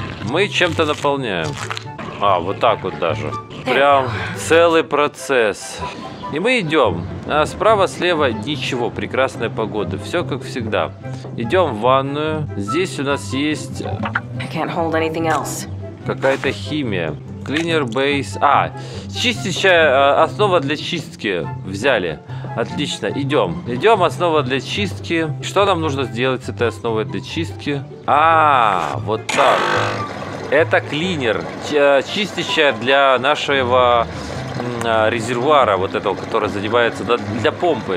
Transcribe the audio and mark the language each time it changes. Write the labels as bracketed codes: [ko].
[ru] Мы чем-то наполняем. А, вот так вот даже. Прям целый процесс. И мы идем. А справа, слева ничего, прекрасная погода. Все как всегда. Идем в ванную. Здесь у нас есть... [en] I can't hold anything else. [ru] Какая-то химия. [en] Cleaner base. [ru] А, чистящая основа для чистки взяли. Отлично, идем. Идем, основа для чистки. Что нам нужно сделать с этой основой для чистки? А, вот так. Это клинер, чистящая для нашего резервуара, вот этого, который задевается, для помпы.